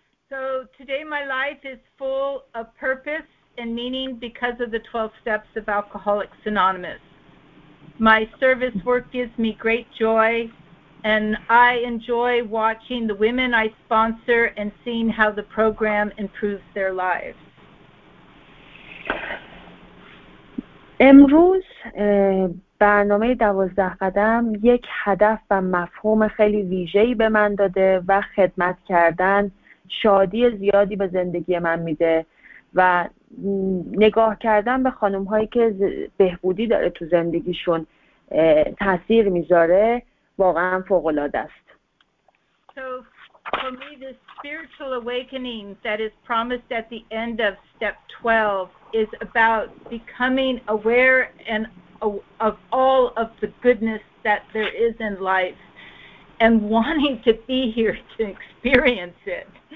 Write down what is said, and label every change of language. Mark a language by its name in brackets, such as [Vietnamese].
[English] So today my life is full of purpose and meaning because of the 12 steps of Alcoholics Anonymous. My service work gives me great joy and I enjoy watching the women I sponsor and seeing how the program improves their lives. [Persian] امروز برنامه 12 قدم یک هدف و مفهوم خیلی ویژه‌ای به من داده و خدمت کردن شادی زیادی به زندگی من میده و نگاه کردن به خانم هایی که بهبودی داره تو زندگیشون تاثیر میذاره واقعا فوق العاده است. [English] So for me the spiritual awakening that is promised at the end of step 12 is about becoming aware and of all of the goodness that there is in life and wanting to be here to experience it.